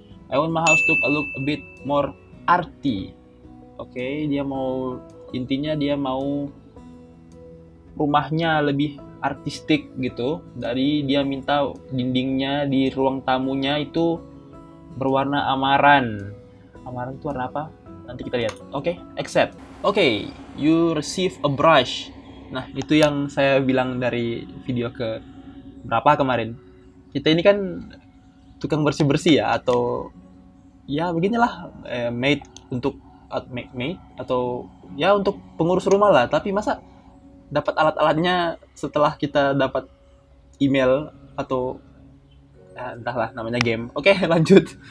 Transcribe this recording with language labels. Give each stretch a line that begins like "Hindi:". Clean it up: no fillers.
English: I want my house to look a bit more arty.
Indonesian: Oke, dia mau, intinya dia mau rumahnya lebih artistik gitu. Dari dia minta dindingnya di ruang tamunya itu berwarna amaran. Amaran itu warna apa? Nanti kita lihat. Oke, okay, accept.
English: Oke, okay, you receive a brush.
Indonesian: Nah, itu yang saya bilang dari video ke berapa kemarin. Kita ini kan tukang bersih-bersih ya, atau ya beginilah, maid untuk maid atau ya untuk pengurus rumah lah, tapi masa dapat alat-alatnya setelah kita dapat email atau entahlah namanya game. Oke, okay, lanjut.